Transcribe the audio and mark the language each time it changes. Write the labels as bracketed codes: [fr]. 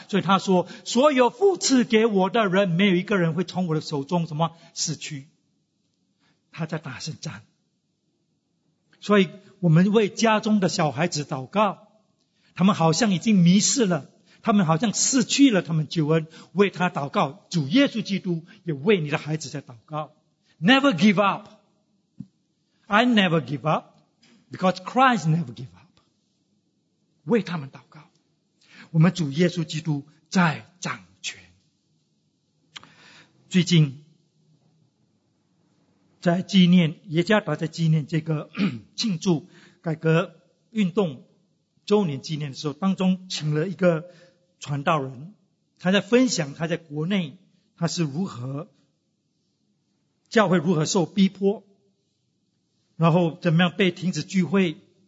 [zh] 所以他说，所有父赐给我的人，没有一个人会从我的手中什么失去。他在打胜仗。所以我们为家中的小孩子祷告，他们好像已经迷失了，他们好像失去了他们救恩，为他祷告。主耶稣基督也为你的孩子在祷告。 [en] Never give up. I never give up because Christ never give up. [zh] 为他们祷告。我们主耶稣基督在掌权。最近在纪念，耶加达在纪念这个庆祝改革运动周年纪念的时候，当中请了一个传道人，他在分享他在国内他是如何教会如何受逼迫，然后怎么样被停止聚会。